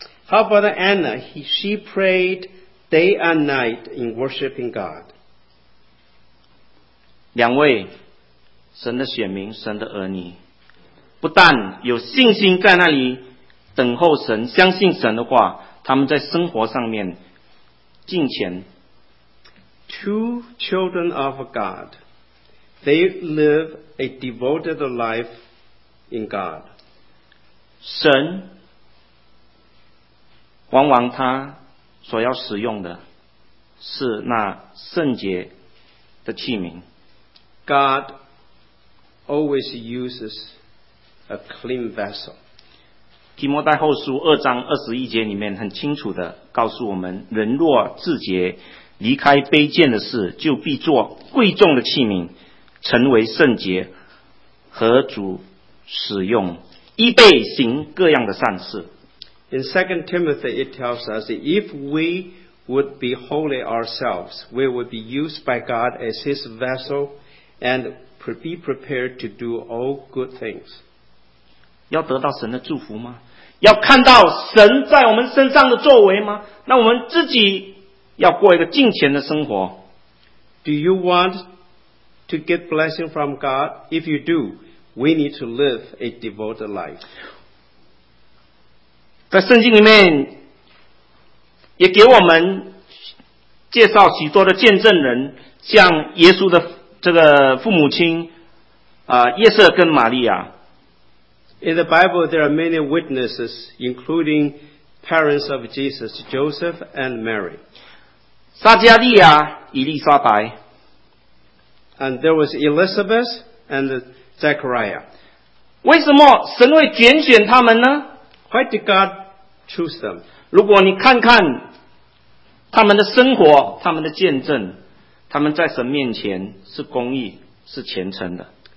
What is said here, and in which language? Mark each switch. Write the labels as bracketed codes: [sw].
[en] How about Anna? She prayed day and night in worshiping God. [zh] 两位神的选民，神的儿女，不但有信心在那里等候神，相信神的话，他们在生活上面金钱。 [en] Two children of God, they live a devoted life in God. [zh] 神往往他所要使用的是那圣洁的器皿。 [en] God always uses a clean vessel. [zh] 提摩太后书二章二十一节里面很清楚的告诉我们，人若自洁，离开卑贱的事，就必做贵重的器皿，成为圣洁，和主使用，预备行各样的善事。 [en] In 2 Timothy, it tells us that if we would be holy ourselves, we would be used by God as His vessel and be prepared to do all good things. [zh] 要得到神的祝福吗？要看到神在我们身上的作为吗？那我们自己要过一个敬虔的生活。 [en] Do you want to get blessing from God? If you do, we need to live a devoted life. [zh] 在圣经里面也给我们介绍许多的见证人，像耶稣的这个父母亲约瑟跟玛利亚。 [en] In the Bible, there are many witnesses, including parents of Jesus, Joseph and Mary. [zh] 撒加利亚、伊丽莎白。 [en] And there was Elizabeth and Zechariah. [zh] 为什么神会拣选他们呢？ [en] Why did God choose them? [zh] 如果你看看他们的生活，他们的见证，他们在神面前是公义，是虔诚的。